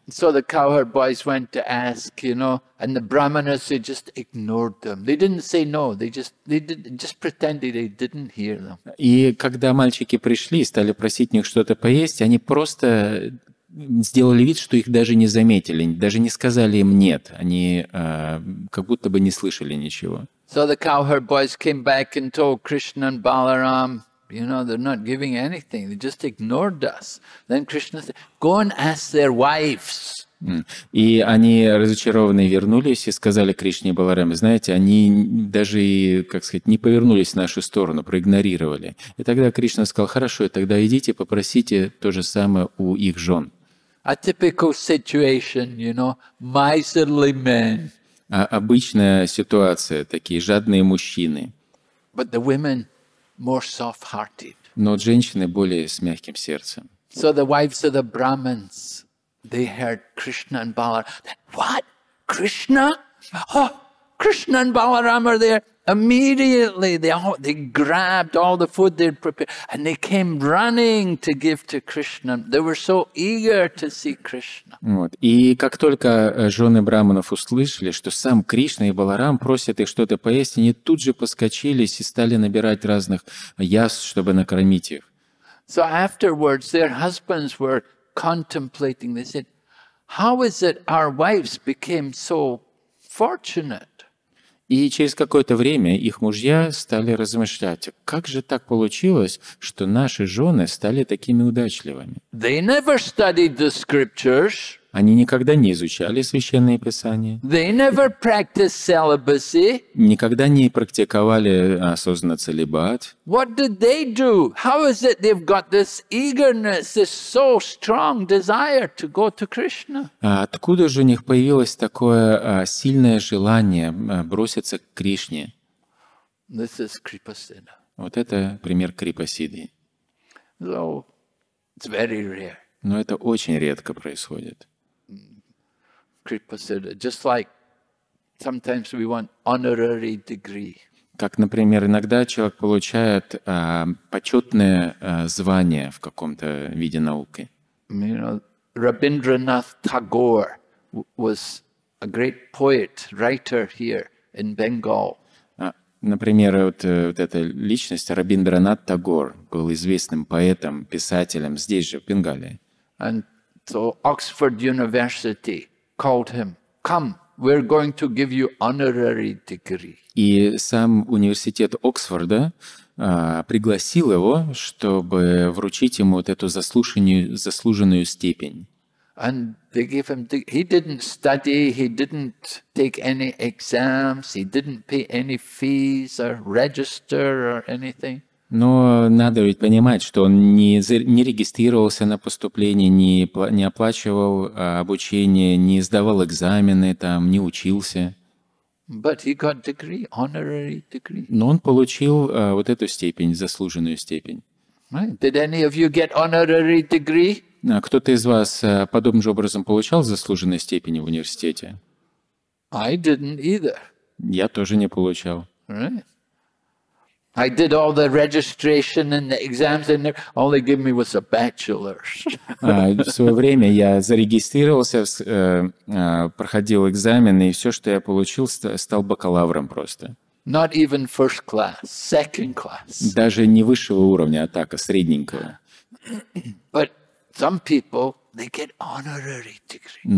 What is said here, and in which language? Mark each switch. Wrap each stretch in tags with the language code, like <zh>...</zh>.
<en>So the cowherd boys went to ask, you know, and the brahmanas, they just ignored them. They didn't say no, they just pretended they didn't hear them.</en> <ru>И когда мальчики пришли и стали просить у них что-то поесть, они просто сделали вид, что их даже не заметили, даже не сказали им нет, они как будто бы не слышали ничего.</ru> <en>So the cowherd boys came back and told Krishna and Balaram, you know, they're not giving anything. They just ignored us. Then Krishna said, go and ask their wives.</en> <ru>И они разочарованные вернулись и сказали Кришне и Баларам, знаете, они даже, как сказать, не повернулись в нашу сторону, проигнорировали. И тогда Кришна сказал, хорошо, тогда идите, попросите то же самое у их жен.</ru> <en>A typical situation, you know, miserly men.</en> <ru>Обычная ситуация, такие жадные мужчины.</ru> <en>But the women more soft-hearted.</en> <ru>Но женщины более с мягким сердцем.</ru> <en>So the wives of the brahmins, they heard Krishna and Balaram. What? Krishna? Oh, Krishna and Balaram are there. Immediately they grabbed all the food they'd prepared and they came running to give to Krishna. They were so eager to see Krishna.</en> <ru>Вот. И как только жены брахманов услышали, что сам Кришна и Баларам просят их что-то поесть, они тут же поскочились и стали набирать разных яств, чтобы накормить их.</ru> <en>So afterwards their husbands were contemplating. They said, how is it our wives became so fortunate?</en> <ru>И через какое-то время их мужья стали размышлять, как же так получилось, что наши жены стали такими удачливыми.</ru> <en>They never studied the scriptures.</en> <ru>Они никогда не изучали священные писания.</ru> <en>They never practiced celibacy.</en> <ru>Никогда не практиковали осознанно целибат.</ru> <en>What did they do? How is it they've got this eagerness, this so strong desire to go to Krishna?</en> <ru>Откуда же у них появилось такое сильное желание броситься к Кришне?</ru> <en>This is Kripasiddha.</en> <ru>Вот это пример Крипасиды.</ru> <en>So, it's very rare.</en> <ru>Но это очень редко происходит.</ru> <en>Just like sometimes we want honorary degree.</en> <ru>Как, например, иногда человек получает почетное звание в каком-то виде науки.</ru> <en>You know, Rabindranath Tagore was a great poet, writer here in Bengal.</en> <ru>Например, вот эта личность Рабиндранат Тагор был известным поэтом, писателем здесь же, в Бенгалии.</ru> <en>And so Oxford University called him. Come, we're going to give you honorary degree.</en> <ru>И сам университет Оксфорда пригласил его, чтобы вручить ему вот эту заслуженную степень.</ru> <en>And they gave him. He didn't study. He didn't take any exams. He didn't pay any fees or register or anything.</en> <ru>Но надо ведь понимать, что он не регистрировался на поступление, не оплачивал обучение, не сдавал экзамены, там, не учился.</ru> <en>But he got degree, honorary degree.</en> <ru>Но он получил вот эту степень, заслуженную степень.</ru> <en>Right. Did any of you get honorary degree?</en> <ru>Кто-то из вас подобным же образом получал заслуженную степень в университете?</ru> <en>I didn't either.</en> <ru>Я тоже не получал.</ru> <en>Right. I did all the registration and the exams, and all they gave me was a bachelor's.</en> <ru>В свое время я зарегистрировался, проходил экзамены, и все, что я получил, стал бакалавром просто.</ru> <en>Not even first class, second class.</en> <ru>Даже не высшего уровня, а так, а средненького.</ru> <en>But some people, they get honorary degree.</en>